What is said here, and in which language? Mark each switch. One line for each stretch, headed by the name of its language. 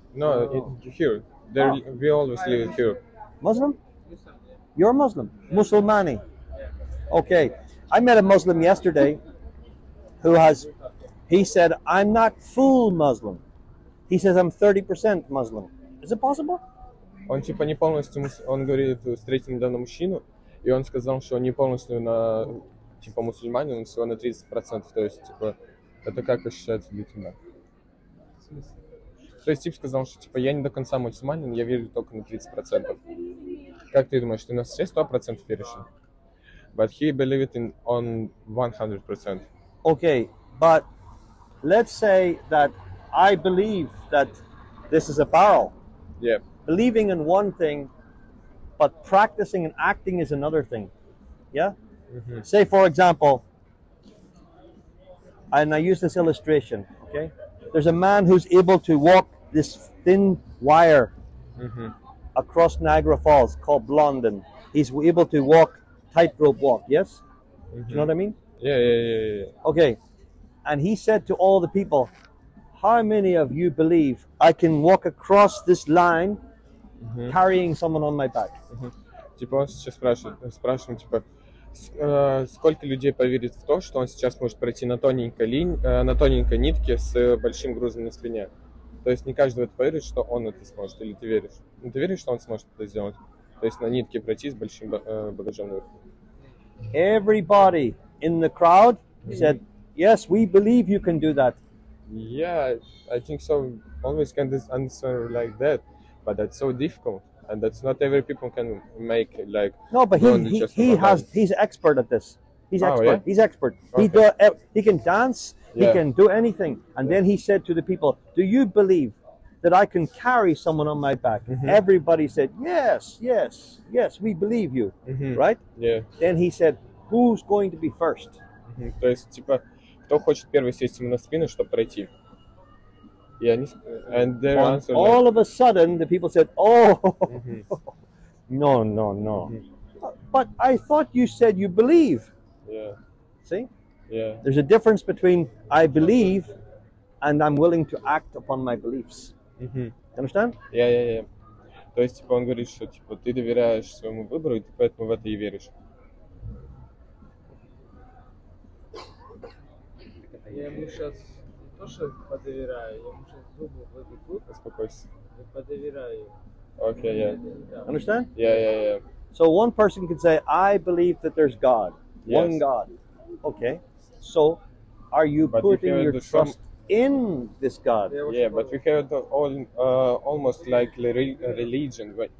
English: No, here. There, oh. We always live here. Muslim? You're a Muslim? Muslimani? Okay. I met a Muslim yesterday who has, he said, I'm not full Muslim. He says, I'm 30% Muslim. Is it possible?
Russian: Он типа не полностью, он говорит, встретил недавно мужчину, и он сказал, что не полностью на типа мусульманин, он всего на 30%, то есть типа это как ощущается для тебя? То есть тип сказал, что типа я не до конца мусульманин, я верю только на 30%. Как ты думаешь, ты на все 100% веришь?
English: But he believed in on 100%. Okay, but let's say that I believe that this is a barrel. Yeah. Believing in one thing, but practicing and acting is another thing. Yeah? Mm-hmm. Say, for example, and I use this illustration, okay? There's a man who's able to walk this thin wire across Niagara Falls called Blondin. He's able to walk, tightrope walk, yes? Mm-hmm. Do you know what I mean? Yeah. Okay. And he said to all the people, how many of you believe I can walk across this line carrying someone on my back?
Russian: Типа он сейчас спрашивает, типа, сколько людей поверит в то, что он сейчас может пройти на тоненькой нитке с большим грузом на спине? То есть не каждый в это поверит, что он это сможет, или ты веришь? Ну, ты веришь, что он сможет это сделать? То есть на нитке пройти с большим багажом наверху?
English: Everybody in the crowd said, Yes, we believe you can do that. Yeah, I think so. Always can just answer like that, but that's so difficult, and that's not every people can make like. No, but he has. He's expert at this. He's expert. Yeah? He's expert. Okay. He can dance. Yeah. He can do anything. And then he said to the people, "Do you believe that I can carry someone on my back?" Mm-hmm. Everybody said, "Yes, yes, yes. We believe you." Mm-hmm. Right? Yeah. Then he said, "Who's going to be first?"
Russian: То есть типа кто хочет первый сесть ему на спину, чтобы пройти? И они
English: and they answered. All like, of a sudden, the people said, "Oh, no, no, no." Mm-hmm. But I thought you said you believe. Yeah. See? Yeah. There's a difference between I believe and I'm willing to act upon my beliefs. Mm-hmm. Understand? Yeah, yeah, yeah.
Russian: То есть типа он говорит, что типа ты доверяешь своему выбору, и ты поэтому в это и веришь. Я ему сейчас не то, что подоверяю, я ему сейчас зубы выбегу. Успокойся. Я подоверяю.
English: Okay, yeah. Understand? Yeah, yeah, yeah. So one person can say, I believe that there's God. Yes. One God. Okay. So are you but putting your trust some... in this God? Yeah, but we have the all almost like religion.